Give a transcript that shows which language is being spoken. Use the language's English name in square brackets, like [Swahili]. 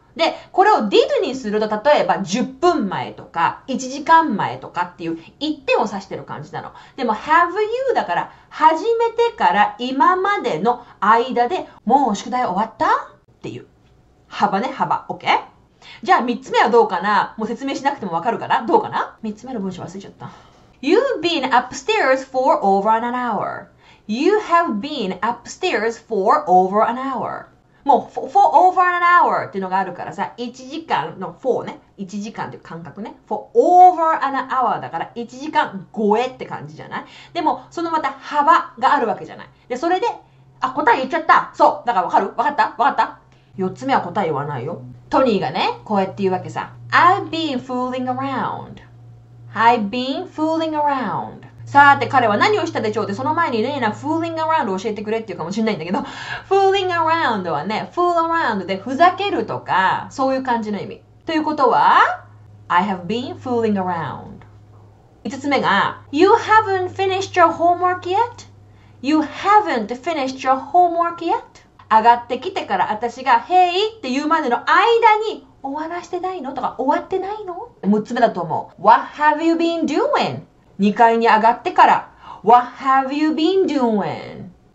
[Japanese] で、これを did にすると、例えば10分前とか1時間前とかっていう一点を指してる感じなの。でも have you だから、始めてから今までの間でもう宿題終わったっていう幅ね、幅。 OK？じゃあ3つ目はどうかな？もう説明しなくてもわかるかな？どうかな？ 3 つ目の文章忘れちゃった。 [English] You've been upstairs for over an hour.You have been upstairs for over an hour. [Japanese] もう [English] for over an hour [Japanese] っていうのがあるからさ、1時間の for ね、1時間っていう感覚ね、 for over an hour だから1時間超えって感じじゃない。でもそのまた幅があるわけじゃない。でそれで、あ、答え言っちゃった、そうだから、わかる、わかった、わかった。 4つ目は答え言わないよ。トニーがね、こうやって言うわけさ。 [English] I've been fooling around. I've been fooling around. [Japanese] さて、彼は何をしたでしょうって、その前にレイナ、fooling around を教えてくれって言うかもしれないんだけど、fooling around はね、fool around でふざけるとか、そういう感じの意味。ということは、 [English] I have been fooling around. 5つ目が、You haven't finished your homework yet? You haven't finished your homework yet? [Japanese] 上がってきてから私が「へい」って言うまでの間に終わらしてないのとか終わってないの ?6 つ目だと思う。 [English] What have you been doing? [Japanese] 2 階に上がってから [English] What have you been doing?